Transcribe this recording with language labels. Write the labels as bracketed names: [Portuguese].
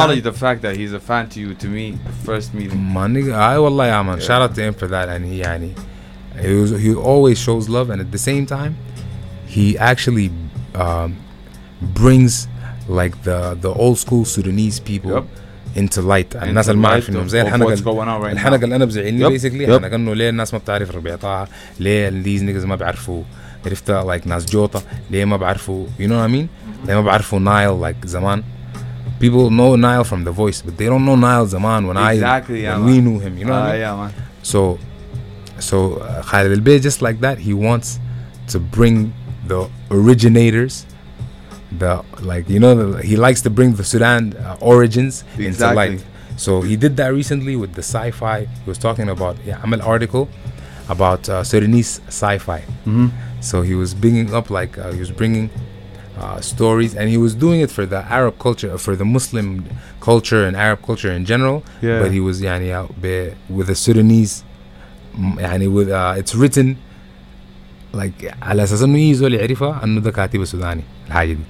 [English] acknowledge the fact that he's a fan to you, to me, the first meeting. My nigga, I wallahi, yeah, man. Shout out to him for that. And he always shows love. And at the same time, he actually brings like the old school Sudanese people. Yep. Into light. And that's the matter. What's going on right now? [Arabic] الحنق اللي أنا بزعلني [English] basically. [Arabic] يعني كأنه ليه الناس ما بتعرف ربيع طاعة. ليه [English] these niggas [Arabic] ما بعرفوا. عرفت like ناس جوطة. ليه ما بعرفوا. [English] You know what I mean? [Arabic] ليه ما بعرفوا Nile like زمان. [English] People know Nile from The Voice, but they don't know Nile زمان when exactly, I yeah, we man. Knew him. You know what I mean? Yeah, man. So Khalid Albay just like that. He wants to bring the originators. The like you know he likes to bring the Sudan origins exactly. into light. So he did that recently with the sci-fi. He was talking about I'm an article about Sudanese sci-fi. Mm-hmm. So he was bringing up like he was bringing stories, and he was doing it for the Arab culture, for the Muslim culture and Arab culture in general. Yeah. But he was yani out with a Sudanese, yani with it's written [Arabic] like على أساس إنه يزول يعرفه إنه ده كاتب سوداني الحاجة دي